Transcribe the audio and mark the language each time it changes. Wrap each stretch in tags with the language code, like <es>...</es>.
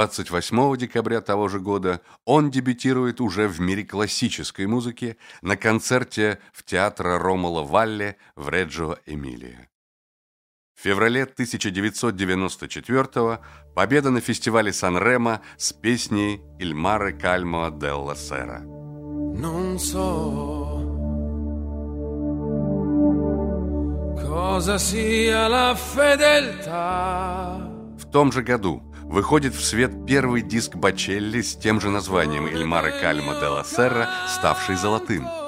<ru>Восьмого декабря того же года он дебютирует уже в мире классической музыки на концерте в театре Ромоло Валле в Реджио Эмилия. В феврале 1994-го победа на фестивале Сан-Ремо с песней «Il mare calmo della sera».</ru> <it>Non so cosa sia la fedeltà.</it> <ru>В том же году выходит в свет первый диск Бочелли с тем же названием «Il mare calmo della sera», ставший золотым.</ru>